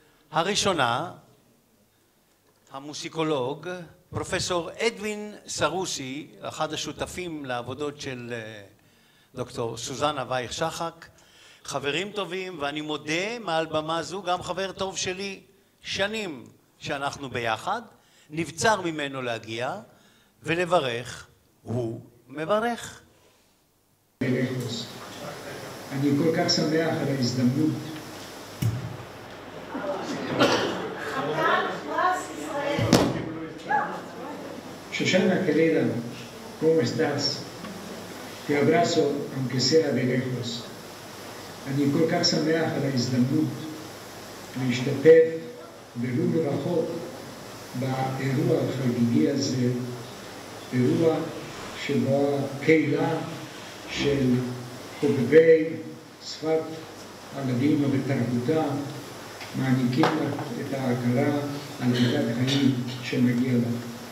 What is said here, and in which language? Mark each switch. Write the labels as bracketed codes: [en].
[he] הראשונה, המוסיקולוג פרופסור אדווין סרוסי, אחד השותפים לעבודות של דוקטור סוזנה וייך שחק, חברים טובים, ואני מודה מעל במה זו גם חבר טוב שלי, שנים שאנחנו ביחד, נבצר ממנו להגיע ולברך, הוא מברך. אני כל כך שמח על ההזדמנות להיות כאן Shoshana [lad] querida, ¿cómo estás? Te abrazo, aunque sea de lejos. [he] אני כל כך שמח על ההזדמנות להשתתף ולו מרחוק באירוע החגיגי הזה, אירוע שבו הקהילה של חובבי שפת הלדינו ותרבותה מעניקים את ההכרה על מידת חיים שמגיע לה.